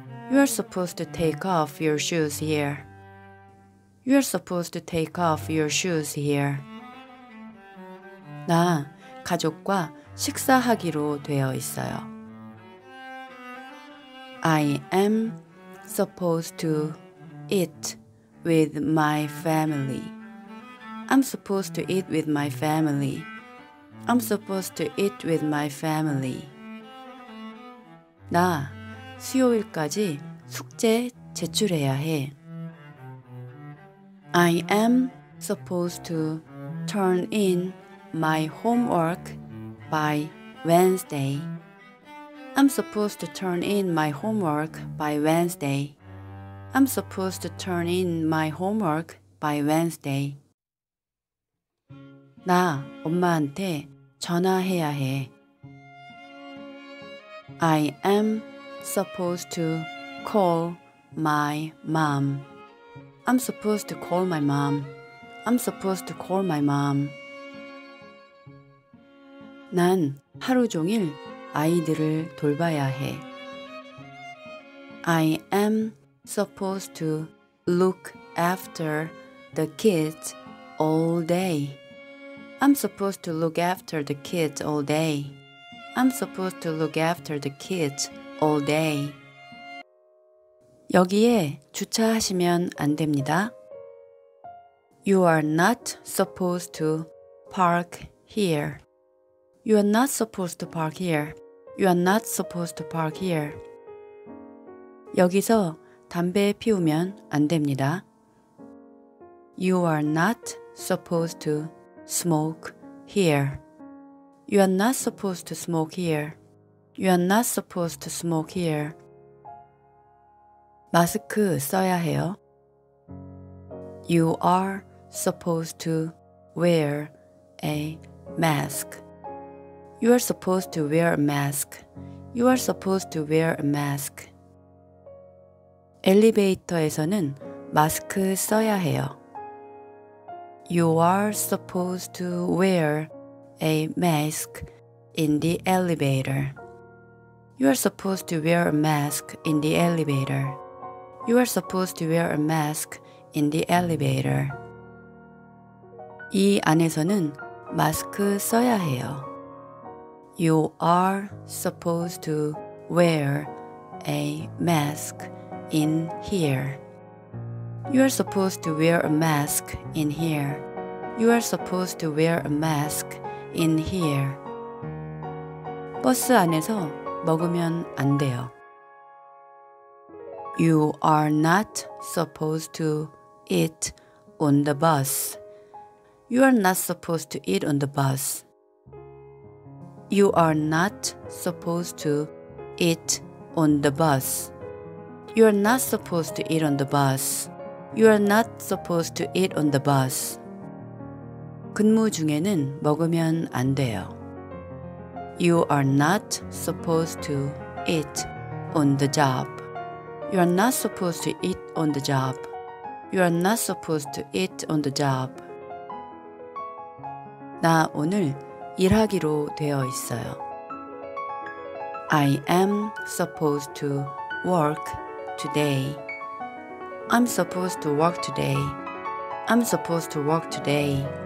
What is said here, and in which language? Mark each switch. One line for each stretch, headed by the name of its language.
English: You're supposed to take off your shoes here. You're supposed to take off your shoes here.
Korean: 나 가족과 식사하기로 되어 있어요.
English: I am supposed to eat with my family. I'm supposed to eat with my family. I'm supposed to eat with my family.
Korean: 나 수요일까지 숙제 제출해야 해.
English: I am supposed to turn in my homework by Wednesday. I'm supposed to turn in my homework by Wednesday. I'm supposed to turn in my homework by Wednesday.
Korean: 나 엄마한테 전화해야 해.
English: I am supposed to call my mom. I'm supposed to call my mom. I'm supposed to call my mom.
Korean: 난 하루 종일 아이들을 돌봐야 해.
English: I am supposed to look after the kids all day. I'm supposed to look after the kids all day. I'm supposed to look after the kids all day.
Korean: 여기에 주차하시면 안 됩니다.
English: You are not supposed to park here. You are not supposed to park here. You are not supposed to park here.
Korean: 여기서 담배 피우면 안 됩니다.
English: You are not supposed to smoke here. You are not supposed to smoke here. You are not supposed to smoke here.
Korean: 마스크 써야 해요.
English: You are supposed to wear a mask. You are supposed to wear a mask. You are supposed to wear a mask.
Korean: 엘리베이터에서는 마스크 써야 해요.
English: You are supposed to wear a mask in the elevator. You are supposed to wear a mask in the elevator. You are supposed to wear a mask in the elevator.
Korean: 이 안에서는 마스크 써야 해요.
English: You are supposed to wear a mask in here. You are supposed to wear a mask in here. You are supposed to wear a mask in here.
Korean: 버스 안에서 먹으면 안 돼요.
English: You are not supposed to eat on the bus. You are not supposed to eat on the bus. You are not supposed to eat on the bus. You are not supposed to eat on the bus. You are not supposed to eat on the bus.
Korean: 근무 중에는 먹으면 안 돼요.
English: You are not supposed to eat on the job. You are not supposed to eat on the job. You are not supposed to eat on the job.
Korean: 나 오늘 일하기로 되어 있어요.
English: I am supposed to work today. I'm supposed to work today. I'm supposed to work today.